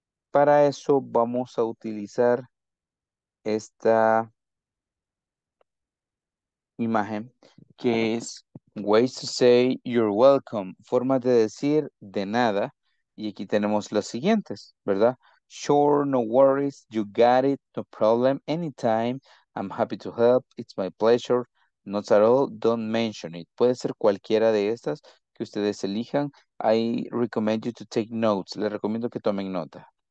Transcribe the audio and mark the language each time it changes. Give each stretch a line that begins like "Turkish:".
Spanish: Para eso vamos a utilizar esta imagen, que es
English: ways to say you're welcome,
Spanish: formas de decir de nada, y aquí tenemos las siguientes, ¿verdad?
English: Sure, no worries, you got it, no problem, anytime, I'm happy to help, it's my pleasure, not at all, don't mention it.
Spanish: Puede ser cualquiera de estas que ustedes elijan.
English: I recommend you to take notes,
Spanish: les recomiendo que tomen nota.